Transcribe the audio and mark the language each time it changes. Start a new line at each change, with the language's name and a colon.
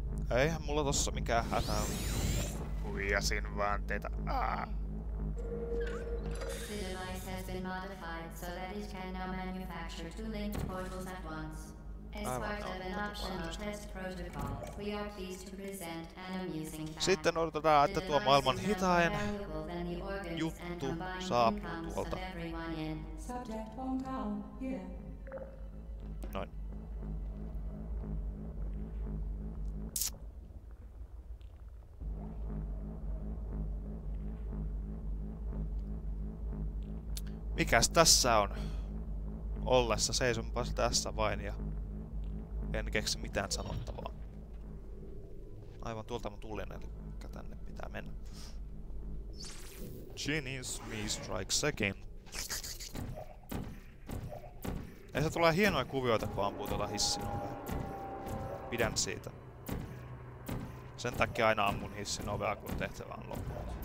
Finnish: Eihän mulla tossa mikään hätä on. Huijasin vaan teitä.
English: The device has been modified so that it can now manufacture two linked portals at once. As part of an optional test protocol, we are pleased to present an amusing fact.
Finnish: Sitten odotetaan, että tuo maailman hitain juttu saapuu tuolta.
English: Subject on calm, here.
Finnish: Noin. Mikäs tässä on? ollessa seisonpas tässä vain ja en keksi mitään sanottavaa. Aivan tuolta mä tulin, eli tänne pitää mennä.
English: Genius me strikes again.
Finnish: Näistä tulee hienoja kuvioita, kun ampuu tuota hissin ovea. Pidän siitä. Sen takia aina ammun hissin ovea, kun tehtävä on loppuun.